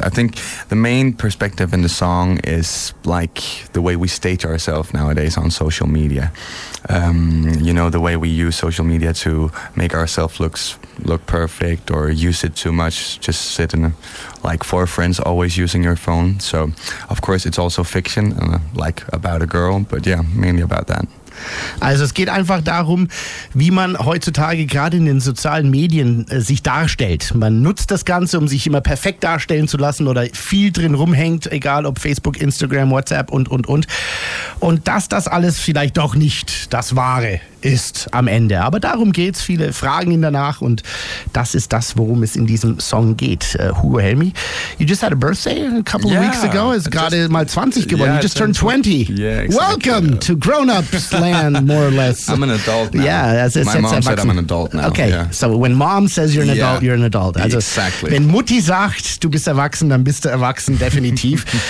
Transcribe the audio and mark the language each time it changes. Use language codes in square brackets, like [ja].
[en] I think the main perspective in the song is like the way we stage ourselves nowadays on social media. You know, the way we use social media to make ourselves look perfect or use it too much. Just sit in like four friends always using your phone. So, of course, it's also fiction, like about a girl, but yeah, mainly about that. [de] Also es geht einfach darum, wie man heutzutage gerade in den sozialen Medien sich darstellt. Man nutzt das Ganze, um sich immer perfekt darstellen zu lassen oder viel drin rumhängt, egal ob Facebook, Instagram, WhatsApp und. Und dass das alles vielleicht doch nicht das Wahre ist am Ende. Aber darum geht's, viele fragen ihn danach und das ist das, worum es in diesem Song geht. [en] Hugo Helmi, you just had a birthday a couple of weeks ago. [de] Ist gerade mal 20 geworden. [en] Yeah, you just turned 20. Yeah, exactly. Welcome to grown-ups land, more or less. I'm an adult now. Yeah, My mom said I'm an adult now. Okay, yeah. So when mom says you're an adult, you're an adult. Also, exactly. [de] Wenn Mutti sagt, du bist erwachsen, dann bist du erwachsen, definitiv.